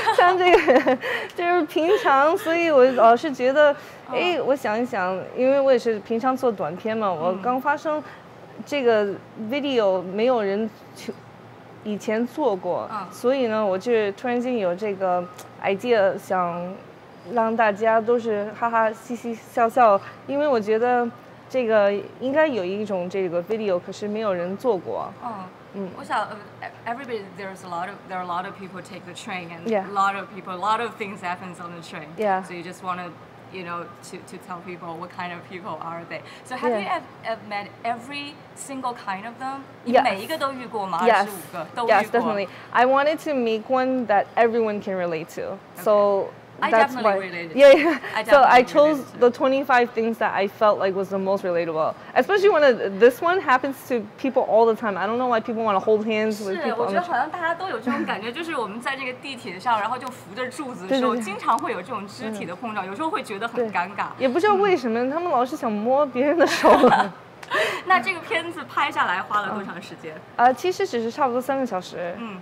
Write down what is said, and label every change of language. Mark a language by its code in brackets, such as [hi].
[zh] 像这个人，就是平常，所以我老是觉得，哎，我想一想，因为我也是平常做短片嘛，我刚发生这个 video 没有人以前做过，所以呢，我就突然间有这个 idea， 想让大家都是哈哈嘻嘻笑笑，因为我觉得这个应该有一种这个 video， 可是没有人做过。我想 [en] everybody, there are a lot of people take the train and a lot of people, a lot of things happens on the train. Yeah. So you just want to, you know, to tell people what kind of people are they. So have you have met every single kind of them? Yes. [zh] 每一个都遇过吗？ [en] Yes. [zh] 都遇过。 [en] Yes, definitely. I wanted to make one that everyone can relate to. Okay. So that's why. Yeah. So I chose the 25 things that I felt like was the most relatable. Especially when this one happens to people all the time. I don't know why people want to hold hands with people. [zh] 是，我觉得好像大家都有这种感觉，就是我们在这个地铁上，然后就扶着柱子的时候，经常会有这种肢体的碰撞，有时候会觉得很尴尬。也不知道为什么，他们老是想摸别人的手。那这个片子拍下来花了多长时间？其实只是差不多3个小时。